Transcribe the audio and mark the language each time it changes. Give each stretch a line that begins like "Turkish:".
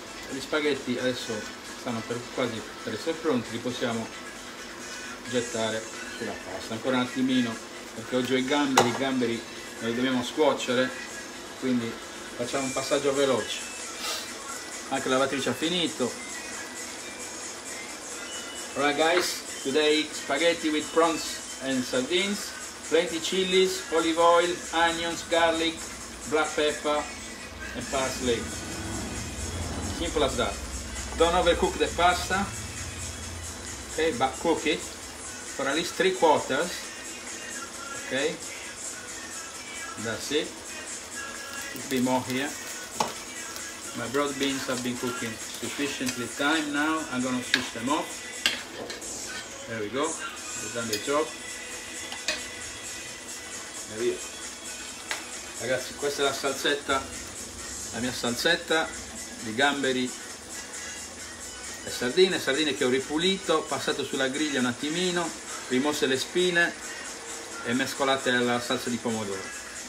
Italian: Gli spaghetti adesso stanno quasi per essere pronti, li possiamo gettare sulla pasta. Ancora un attimino, perché oggi ho i gamberi li dobbiamo scuocere, quindi facciamo un passaggio veloce. Anche la lavatrice ha finito.
English: Alright guys, today spaghetti with prawns and sardines, plenty chilies, olive oil, onions, garlic, black pepper and parsley. Simple as that. Don't overcook the pasta, okay, but cook it for at least 3/4. Okay, that's it. Be more here. My broad beans have been cooking sufficiently time now. I'm gonna switch them off. There we go. We've done the job.
Italian: E via. Ragazzi, questa è la salsetta, la mia salsetta di gamberi e sardine che ho ripulito, passato sulla griglia un attimino, rimosse le spine e mescolate alla salsa di pomodoro.